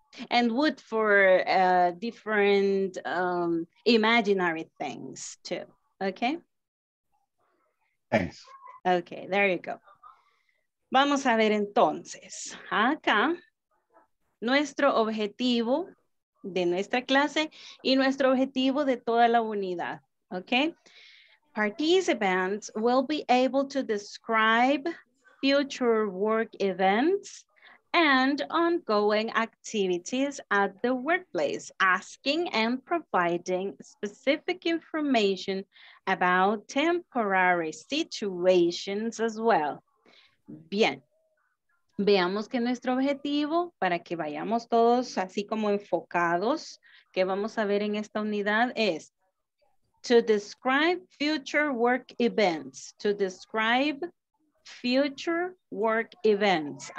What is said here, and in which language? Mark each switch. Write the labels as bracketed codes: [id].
[en] And wood for different imaginary things too. Okay. Thanks. [es] Okay, there you go. Vamos a ver entonces. Acá, nuestro objetivo de nuestra clase y nuestro objetivo de toda la unidad. [en] Okay. Participants will be able to describe future work events and ongoing activities at the workplace, asking and providing specific information about temporary situations as well. [es] Bien, veamos que nuestro objetivo, para que vayamos todos así como enfocados, que vamos a ver en esta unidad es [en] to describe future work events, [es] to describe future work events.